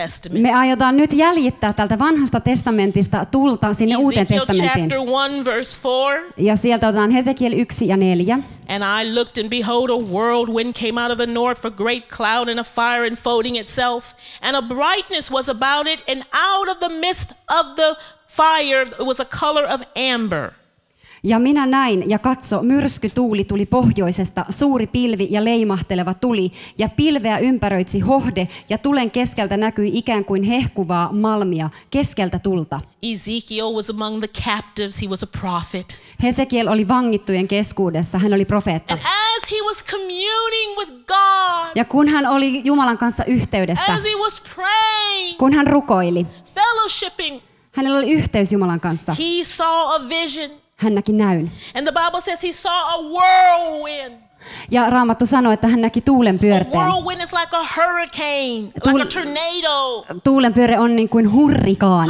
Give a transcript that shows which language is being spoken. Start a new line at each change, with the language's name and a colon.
Finnish: Me aiotaan nyt jäljittää tältä vanhasta testamentista tulta sinne Uuteen testamenttiin. Ja sieltä otetaan Hesekiel 1 ja 4.
English: And I looked and behold a whirlwind came out of the north, a great cloud and a fire enfolding itself, and a brightness was about it, and out of the midst of the fire was a color of amber.
Finnish: Ja minä näin ja katso, myrskytuuli tuli pohjoisesta, suuri pilvi ja leimahteleva tuli, ja pilveä ympäröitsi hohde, ja tulen keskeltä näkyi ikään kuin hehkuvaa malmia keskeltä tulta.
English: Ezekiel was among the captives, he was a prophet.
Finnish: Hesekiel oli vangittujen keskuudessa, hän oli profeetta.
English: And as he was communing with God,
Finnish: ja kun hän oli Jumalan kanssa yhteydessä,
English: as he was praying,
Finnish: kun hän rukoili,
English: fellowshipping,
Finnish: hänellä oli yhteys Jumalan kanssa.
English: He saw a vision.
Finnish: Hän näki näyn.
English: And the Bible says he saw a whirlwind.
Finnish: Ja Raamattu sanoi, että hän näki tuulen pyörteen.
English: A whirlwind is like a hurricane, like a tornado.
Finnish: Tuulen pyöre on niin kuin hurrikaani.